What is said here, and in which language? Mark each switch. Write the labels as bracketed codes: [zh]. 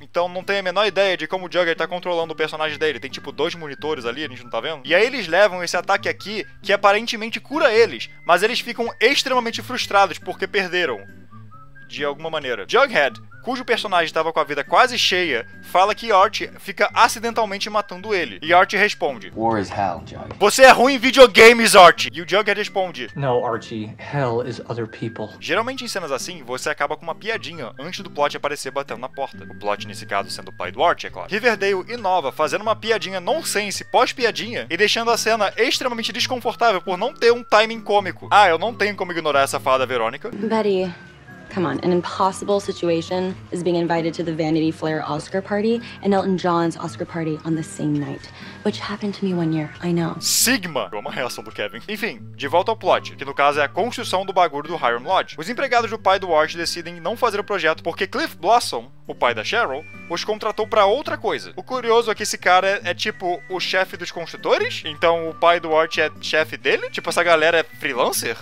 [pt] Então não tenho a menor ideia de como o Jughead tá controlando o personagem dele, tem tipo 2 monitores ali, a gente não tá vendo? E aí eles levam esse ataque aqui, que aparentemente cura eles, mas eles ficam extremamente frustrados porque perderam. De alguma maneira. Jughead cujo personagem estava com a vida quase cheia, fala que Art fica acidentalmente matando ele. E Art responde: [en] War is hell, Jug. [pt] Você é ruim em videogames, Art! E o Jughead responde: [en] No, Archie, hell is other people. [pt] Geralmente em cenas assim, você acaba com uma piadinha antes do plot aparecer batendo na porta. O plot nesse caso sendo o pai do Art, é claro. Riverdale inova fazendo uma piadinha nonsense pós-piadinha e deixando a cena extremamente desconfortável por não ter um timing cômico. Ah, eu não tenho como ignorar essa fada, Verônica. Betty. [en] Come on, an impossible situation is being invited to the Vanity Fair Oscar party and Elton John's Oscar party on the same night, which happened to me one year, I know. [pt] Sigma! Uma reação do Kevin. Enfim, de volta ao plot, que no caso é a construção do bagulho do Hiram Lodge. Os empregados do pai do Art decidem não fazer o projeto porque Cliff Blossom, o pai da Cheryl, os contratou pra outra coisa. O curioso é que esse cara é tipo o chefe dos construtores? Então o pai do Art é chefe dele? Tipo, essa galera é freelancer?